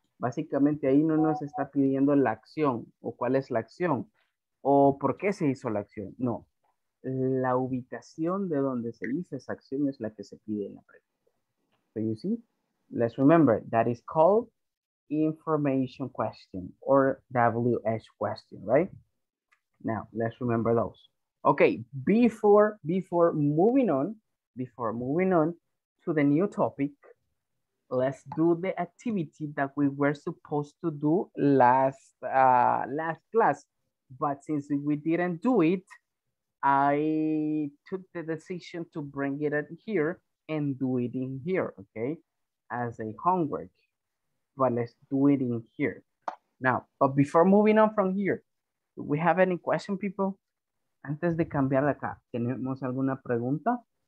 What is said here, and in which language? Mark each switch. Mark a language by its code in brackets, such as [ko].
[es] Básicamente ahí no nos está pidiendo la acción, o cuál es la acción, o por qué se hizo la acción. No. La ubicación de donde se hizo esa acción es la que se pide en la pregunta. [en] So you see, let's remember, that is called information question or WH question, right? Now, let's remember those. Okay, before moving on to the new topic, let's do the activity that we were supposed to do last class. But since we didn't do it, I took the decision to bring it in here and do it in here, okay? As a homework, but let's do it in here. Now, but before moving on from here, do we have any question, people? [es] Antes de cambiar de acá, ¿tenemos alguna pregunta?